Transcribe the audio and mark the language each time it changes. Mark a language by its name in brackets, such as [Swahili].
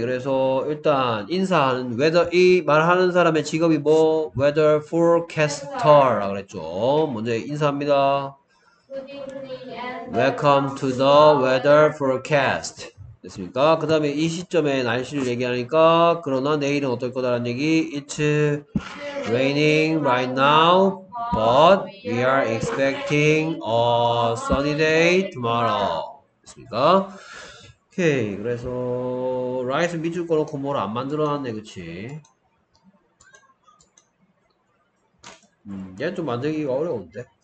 [Korean] 그래서 일단 인사하는 웨더, 이 말하는 사람의 직업이 뭐 웨더 포캐스터라고 그랬죠. 먼저 인사합니다. 웨더 포캐스터 [English] Welcome to the weather forecast. 됐습니까? [Korean] 그 다음에 이 시점에 날씨를 얘기하니까 그러나 내일은 어떨 거다라는 얘기. [English] It's raining right now, but we are expecting a sunny day tomorrow. [Korean] 됐습니까? 오케이. 그래서 라이스 밑줄 꺼놓고 뭘 안 만들어놨네. 그치? 얘는 좀 만들기가 어려운데?